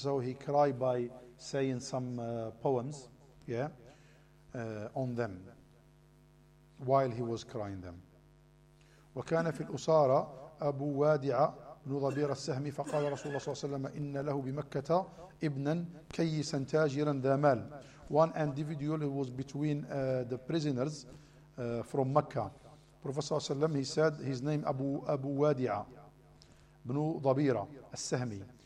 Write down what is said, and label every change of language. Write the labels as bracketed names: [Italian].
[English] So he cried by saying some poems, yeah, on them while he was crying them. [Arabic] وكان في الأسارة أبو وادع بن ضبير السهمي فقال رسول الله صلى الله عليه وسلم إن له بمكة ابنا كيسا تاجرا ذا مال. [English] One individual who was between the prisoners from Mecca, Prophet [Arabic] صلى الله عليه وسلم, [English] he said his name أبو وادع بن ضبير السهمي.